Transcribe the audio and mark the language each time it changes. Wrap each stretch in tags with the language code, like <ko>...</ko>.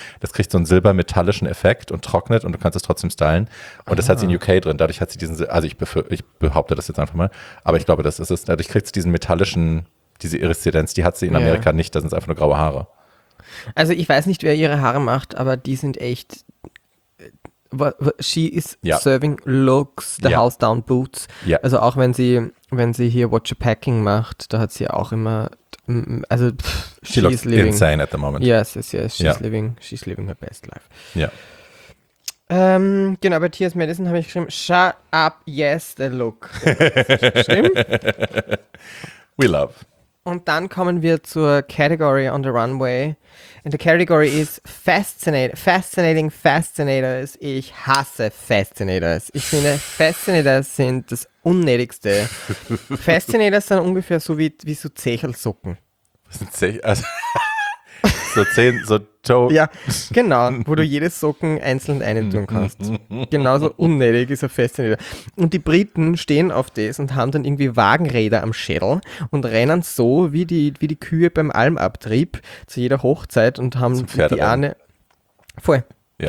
<de>Das kriegt so einen silbermetallischen Effekt und trocknet und du kannst es trotzdem stylen. Und das hat sie in UK drin. Dadurch hat sie diesen, also ich behaupte das jetzt einfach mal, aber ich glaube, das ist es. Dadurch kriegst du diesen metallischen, diese Iriszidenz, die hat sie in Amerika nicht. Das sind einfach nur graue Haare. Also ich weiß nicht, wer ihre Haare macht, aber die sind echt.</de> <en>She is serving looks, the house down boots.</en> <de>Ja. Also auch wenn sie hier Watch a Packing macht, da hat sie auch immer, also</de> <en>she looks living. Insane at the moment. Yes, she's living her best life.</en> <de>Ja. Genau, bei T.S. Madison habe ich geschrieben,</de> <en>shut up, yes, the look.</en> <de>Stimmt?</de> <en>We love.</en> <de>Und dann kommen wir zur Category</de> <en>on the Runway. And the Category is Fascinators.</en> <de>Ich hasse Fascinators. Ich finde, Fascinators sind das Unnötigste. Fascinators sind ungefähr so wie so Zechelsocken. Was sind Zechelsocken? So zehn, so Toe. Ja, genau, wo du jedes Socken einzeln eintun kannst. Genauso unnötig ist ein Fascinator. Und die Briten stehen auf das und haben dann irgendwie Wagenräder am Schädel und rennen so wie die Kühe beim Almabtrieb zu jeder Hochzeit und haben die eine. Voll. Ja.</de>